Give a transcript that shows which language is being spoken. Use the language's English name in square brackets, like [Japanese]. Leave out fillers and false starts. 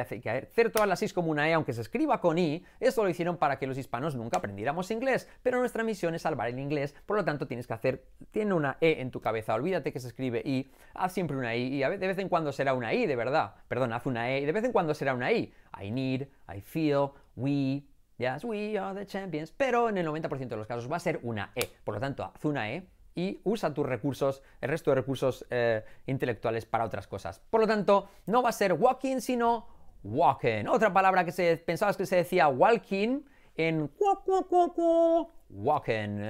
[Spanish] Hace que hacer todas las I's como una E, aunque se escriba con I, esto lo hicieron para que los hispanos nunca aprendiéramos inglés. Pero nuestra misión es salvar el inglés, por lo tanto tienes que hacer, tiene una E en tu cabeza, olvídate que se escribe I, haz siempre una I y de vez en cuando será una I, de verdad. Perdón, haz una E y de vez en cuando será una I. [English] I need, I feel, we, yes, we are the champions. [Spanish] Pero en el 90% de los casos va a ser una E, por lo tanto haz una E. Y usa tus recursos, el resto de recursos intelectuales para otras cosas. Por lo tanto, no va a ser walking, sino walking. Otra palabra que pensabas que se decía walking en walking.